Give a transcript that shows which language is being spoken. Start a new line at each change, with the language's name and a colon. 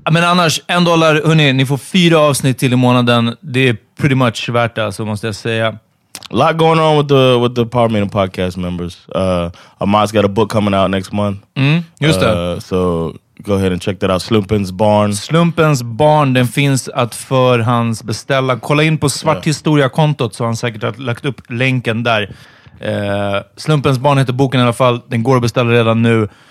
Swedish: Men annars, $1, hörni, ni får 4 avsnitt till i månaden. Det är
English: pretty much
Swedish: värt det, så måste jag säga.
English: A lot going on with the Power Meeting podcast members. Amad's got a book coming out next month.
Swedish: Mm, just det.
English: So go ahead and check that out.
Swedish: Slumpens Barn. Slumpens Barn, den finns att förhandsbeställa. Kolla in på svarthistoria-kontot så har han säkert har lagt upp länken där. Slumpens Barn heter boken i alla fall. Den går att beställa redan nu.